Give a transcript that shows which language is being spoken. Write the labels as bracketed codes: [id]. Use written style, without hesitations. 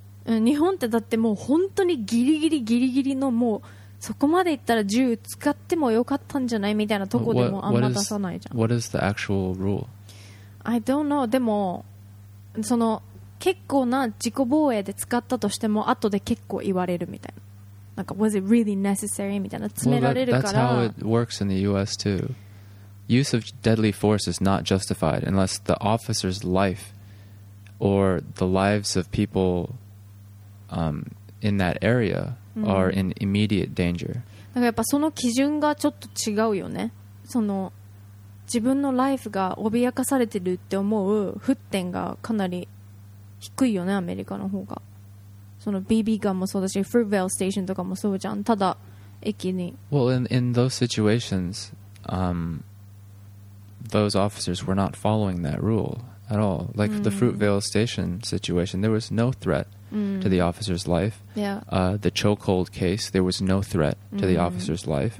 [ja] 日本ってだってもう本当にギリギリギリギリの、もうそこまでいったら銃使ってもよかったんじゃないみたいなとこでもあんま出さないじゃん。 [en] What is the actual rule? I don't know. [ja] でも、その結構な自己防衛で使ったとしても後で結構言われるみたいな、なんか [en] Was it really necessary? [ja] みたいな詰められるから、 [en] well, that's how it works in the US too. Use of deadly force is not justified unless the officer's life or the lives of people、in that area are in immediate danger、 [ja] うん、なんかやっぱその基準がちょっと違うよね。その自分のライフが脅かされてるって思う沸点がかなり低いよね、アメリカの方が。その BB ガンもそうだし、Fruitvale Station とかもそうじゃん。ただ駅に。 [en] Well, in those situations,、those officers were not following that rule at all. Like、mm. the Fruitvale Station situation, there was no threat、mm. to the officer's life. Yeah.、 The chokehold case, there was no threat to、mm. the officer's life.、